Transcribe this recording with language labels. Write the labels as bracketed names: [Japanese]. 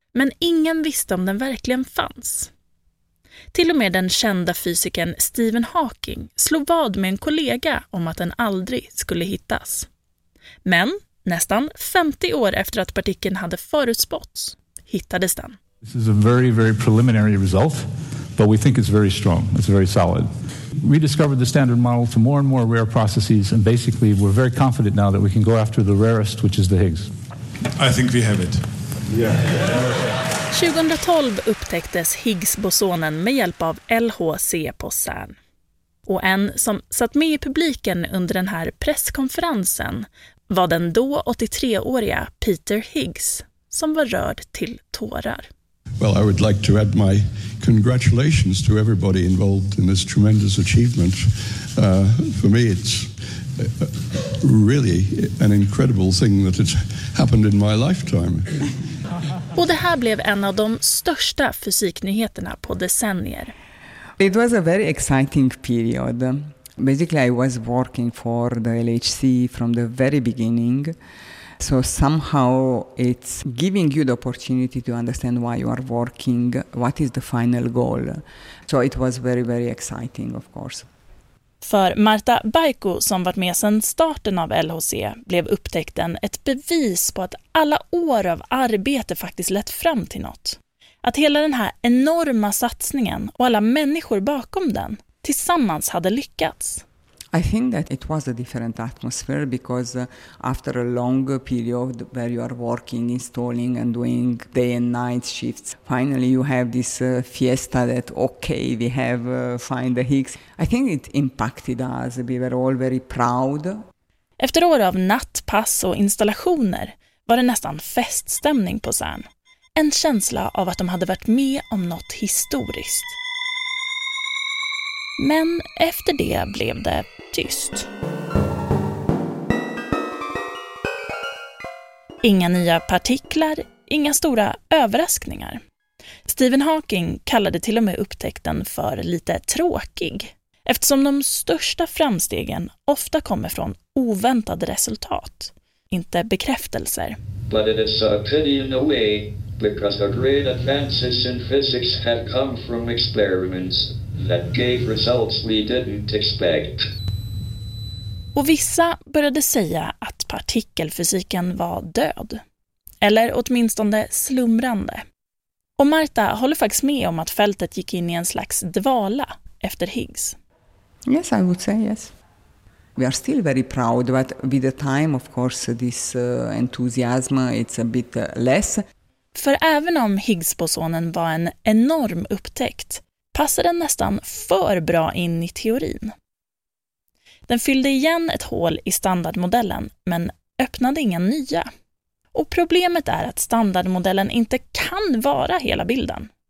[Swedish] Men ingen visste om den verkligen fanns. Till och med den kända fysikern Stephen Hawking slog vad med en kollega om att den aldrig skulle hittas. Men nästan 50 år efter att partikeln hade förutspåtts hittades den. [English] This is a very, very preliminary result, but we think it's very strong. It's very solid. We discovered the standard model for more and more rare processes, and basically we're very confident now that we can go after the rarest, which is the Higgs. I think we have it. Yeah. [Swedish] 2012 upptäcktes Higgs-bosonen med hjälp av LHC på CERN. Och en som satt med i publiken under den här presskonferensen var den då 83-åriga Peter Higgs som var rörd till tårar. [English] Well, I would like to add my congratulations to everybody involved in this tremendous achievement. For me it's really an incredible thing that it's happened in my lifetime. [Swedish] Och det här blev en av de största fysiknyheterna på decennier. [English] It was a very exciting period. Basically, I was working for the LHC from the very beginning. So somehow it's giving you the opportunity to understand why you are working, what is the final goal. So it was very, very exciting, of course. [Swedish] För Marta Baiko, som varit med sedan starten av LHC, blev upptäckten ett bevis på att alla år av arbete faktiskt lett fram till något. Att hela den här enorma satsningen och alla människor bakom den tillsammans hade lyckats. [English] I think that it was a different atmosphere because after a long period where you are working, installing and doing day and night shifts, finally you have this fiesta that okay, we have find the Higgs. I think it impacted us. We were all very proud. [Swedish] Efter år av nattpass och installationer var det nästan feststämning på CERN. En känsla av att de hade varit med om något historiskt. Men efter det blev det tyst. Inga nya partiklar, inga stora överraskningar. Stephen Hawking kallade till och med upptäckten för lite tråkig, eftersom de största framstegen ofta kommer från oväntade resultat, inte bekräftelser. [English] But it is a pity in a way, because the great advances in physics have come from experiments that gave results we didn't expect. [Swedish] Och vissa började säga att partikelfysiken var död. Eller åtminstone slumrande. Och Marta håller faktiskt med om att fältet gick in i en slags dvala efter Higgs. [English] Yes, I would say yes. We are still very proud, but with the time, of course, this enthusiasm it's a bit less. [Swedish] För även om Higgs-bosonen var en enorm upptäckt passade den nästan för bra in i teorin. Den fyllde igen ett hål i standardmodellen men öppnade inga nya. Och problemet är att standardmodellen inte kan vara hela bilden.